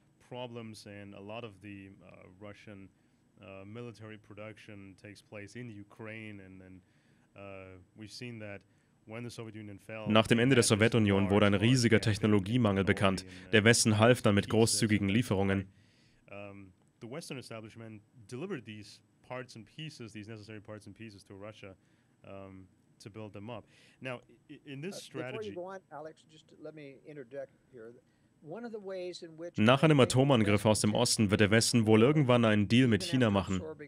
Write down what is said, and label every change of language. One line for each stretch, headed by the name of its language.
German: Nach dem Ende der Sowjetunion wurde ein riesiger Technologiemangel bekannt. Der Westen half dann mit großzügigen Lieferungen.
English: The Western establishment delivered these parts and pieces, these necessary parts and pieces to Russia. To build them up. Now, in this strategy, before you go on, Alex, just let me interject here. One of the ways in which
German: nach einem Atomangriff aus dem Osten wird der Westen wohl irgendwann einen Deal mit China machen.